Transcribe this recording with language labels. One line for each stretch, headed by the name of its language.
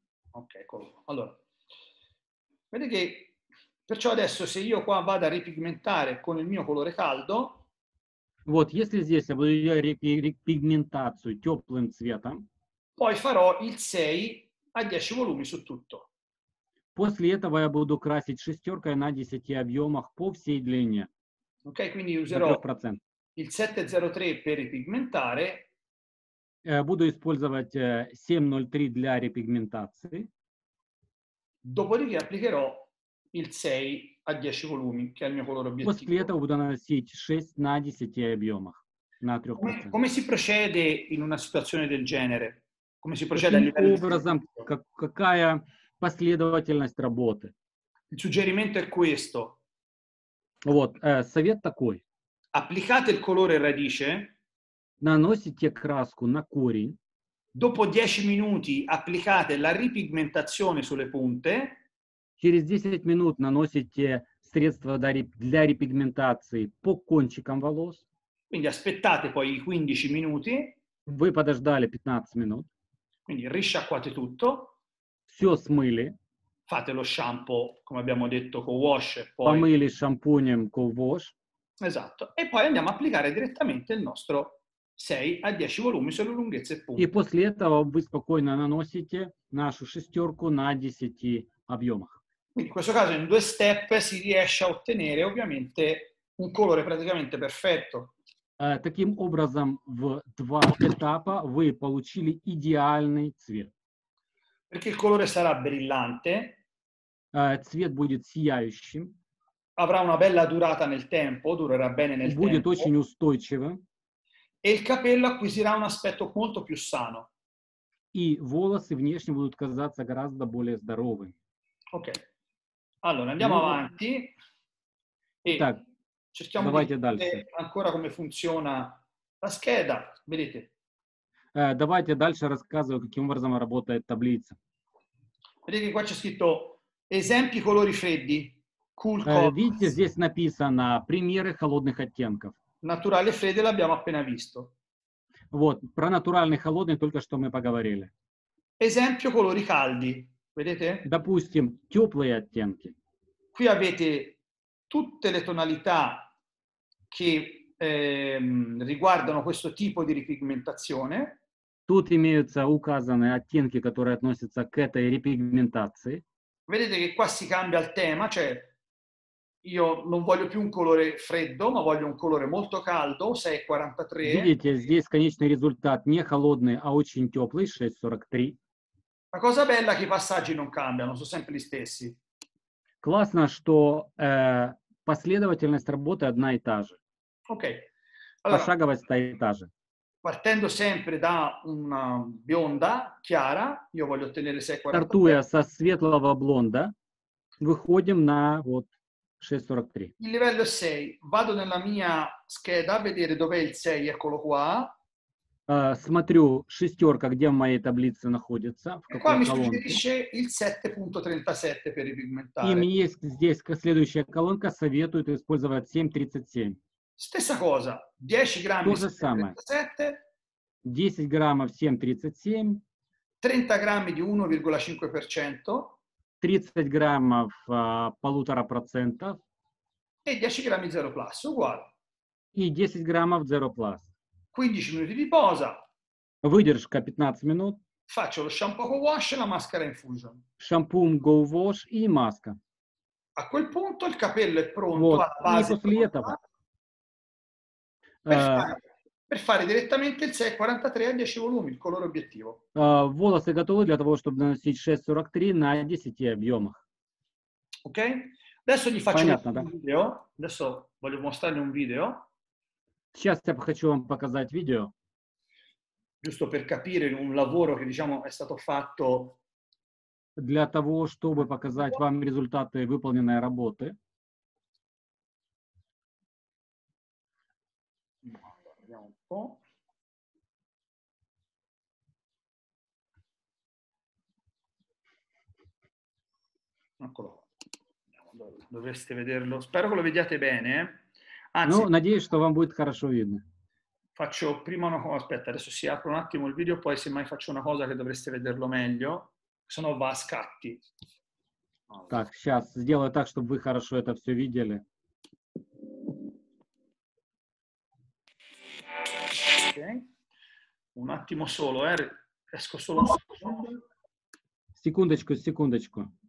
Italian: Ok, ecco. Allora. Vedi che... Perciò adesso se io qua vado a ripigmentare con il mio colore caldo,
Russian: вот, если здесь я буду делать репигментацию теплым цветом,
Italian: poi farò il 6 a 10 volumi su tutto.
Russian: После этого я буду красить шестеркой на 10 объемах по всей длине.
Italian: Ok, quindi userò 100%. Il 703 per ripigmentare.
Russian: Буду использовать 703 для репигментации.
Italian: Dopodiché applicherò il 6 a 10 volumi, che è il mio colore obiettivo.
Russian: После этого буду наносить 6 на 10 объемах, на 3%.
Italian: Come si procede in una situazione del genere? Come si procede a livello
Russian: образом, какая последовательность работы?
Italian: Il suggerimento è questo.
Russian: Вот, совет такой.
Italian: Applicate il colore radice.
Russian: Наносите краску на корень.
Italian: Dopo 10 minuti applicate la ripigmentazione sulle punte.
Russian: Через 10 минут наносите средство для репигментации по кончикам волос.
Italian: Quindi aspettate poi i 15 minuti.
Russian: Вы подождали 15 минут.
Italian: Quindi risciacquate tutto.
Russian: Все смыли.
Italian: Fate lo shampoo, come abbiamo detto, co-wash. Poi...
Russian: Помыли шампунем co-wash.
Italian: Esatto. E poi andiamo a applicare direttamente il nostro 6 a 10 volumi sulle lunghezze e punte.
Russian: И после этого вы спокойно наносите нашу шестерку на 10 объемах.
Italian: Quindi in questo caso in due step si riesce a ottenere ovviamente un colore praticamente perfetto.
Russian: Таким образом в два этапа вы получили идеальный цвет.
Italian: Perché il colore sarà brillante.
Russian: Цвет будет сияющим.
Italian: Avrà una bella durata nel tempo, durerà bene nel
Russian: будет
Italian: tempo.
Russian: Будет очень устойчиво.
Italian: E il capello acquisirà un aspetto molto più sano.
Russian: И волосы внешне будут казаться гораздо более здоровыми.
Italian: Ok. Allora, andiamo avanti e
Russian: так,
Italian: cerchiamo di vedere
Russian: дальше.
Italian: Ancora come funziona la scheda, vedete?
Russian: Давайте дальше рассказываю, каким образом работает таблица.
Italian: Vedete, qua c'è scritto esempi colori freddi, cool colors.
Russian: Видите, здесь написано примеры холодных оттенков.
Italian: Naturale freddo l'abbiamo appena visto.
Russian: Вот, про натуральный холодный только что мы поговорили.
Italian: Esempio colori caldi. Vedete?
Russian: Допустим, теплые оттенки.
Italian: Qui avete tutte le tonalità che riguardano questo tipo di ripigmentazione.
Russian: Тут имеются указаны оттенки, которые относятся к этой репигментации.
Italian: Vedete che qua si cambia il tema, cioè io non voglio più un colore freddo, ma voglio un colore molto caldo, 6,43.
Russian: Видите, здесь конечный результат не холодный, а очень теплый, 6,43.
Italian: La cosa bella è che i passaggi non cambiano, sono sempre gli stessi.
Russian: Класно, что последовательность работы одна и та же. Окей. Allora, пошаговость та и та же.
Italian: Partendo sempre da una bionda chiara, io voglio ottenere 6,43.
Russian: Стартуя со светлого блонда, выходим на вот 6,43.
Italian: Il livello 6. Vado nella mia scheda a vedere dov'è il 6, eccolo qua.
Russian: Смотрю шестерка, где в моей таблице находится. В какой колонке. И
Italian: qua mi suggerisce il 7.37 per i pigmentari.
Russian: И мне здесь следующая колонка советует использовать 7.37.
Italian: Стесса cosa.
Russian: 10 граммов 7.37. 10 граммов 7.37. 30 граммов 1,5%. 30 граммов 1,5%. И 10 граммов 0 plus,
Italian: uguale.
Russian: И 10 граммов 0 plus.
Italian: 15 minuti di posa.
Russian: Выдержка 15 минут.
Italian: Faccio lo shampoo go wash e la maschera infusion.
Russian: Shampoo go wash и маска.
Italian: A quel punto il capello è pronto
Russian: вот.
Italian: Alla base.
Russian: И после этого.
Italian: Per fare direttamente il 6,43 a 10 volumi, il colore obiettivo.
Russian: Волосы готовы для того, чтобы наносить 6,43 на 10 объемах.
Italian: Ok? Adesso gli faccio
Russian: Понятно,
Italian: un
Russian: да?
Italian: video. Adesso voglio mostrargli un video.
Russian: Сейчас я хочу вам показать видео.
Italian: Giusto per capire un lavoro che, diciamo, è stato fatto
Russian: для того, чтобы показать вам результаты выполненной работы.
Italian: Guardiamo un po'. Eccolo. Dovreste vederlo. Spero che lo vediate bene. Anzi, no,
Russian: надеюсь, что вам будет хорошо видно.
Italian: Faccio prima una cosa, aspetta, adesso si apre un attimo il video, poi semmai faccio una cosa che dovreste vederlo meglio, se no va a scatti. Allora.
Russian: Так, сейчас сделаю так, чтобы вы хорошо это все видели.
Italian: Ok. Un attimo solo, esco solo un secondo.
Russian: Секундочку, секундочку.